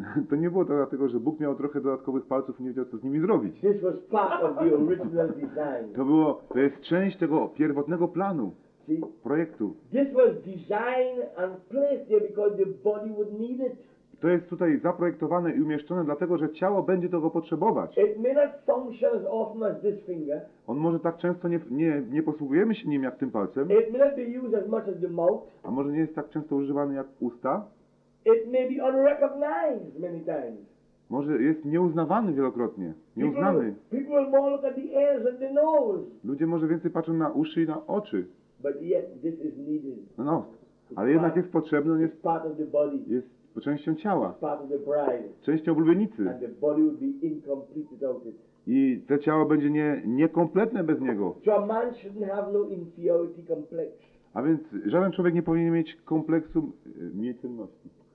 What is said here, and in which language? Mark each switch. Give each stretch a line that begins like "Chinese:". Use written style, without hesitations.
Polish: To nie było to dlatego, że Bóg miał trochę dodatkowych palców i nie wiedział, co z nimi zrobić.
English: This was part of the original design.
Polish: To jest część tego pierwotnego planu, projektu.
English: This was designed and placed there because the body would need it.
Polish: To jest tutaj zaprojektowane i umieszczone dlatego, że ciało będzie tego potrzebować.
English: It may not function as often as this finger.
Polish: On może tak często nie posługujemy się nim jak tym palcem.
English: It may not be used as much as the mouth.
Polish: A może nie jest tak często używany jak usta.
English: It may be unrecognized many times.
Polish: Może jest nieuznawany wielokrotnie. Nieuznany.
English: People more look at the ears and the nose.
Polish: Ludzie może więcej patrzą na uszy i na oczy.
English: But yet this is needed.
Polish: No, ale jednak jest potrzebny. On jest
English: part of the body.
Polish: Jest częścią ciała,
English: part of the bride,
Polish: częścią oblubienicy.
English: And the body would be incomplete without it.
Polish: I to ciało będzie niekompletne bez niego.
English: So a man shouldn't have no inferiority complex.
Polish: A więc żaden człowiek nie powinien mieć kompleksu mniejszości.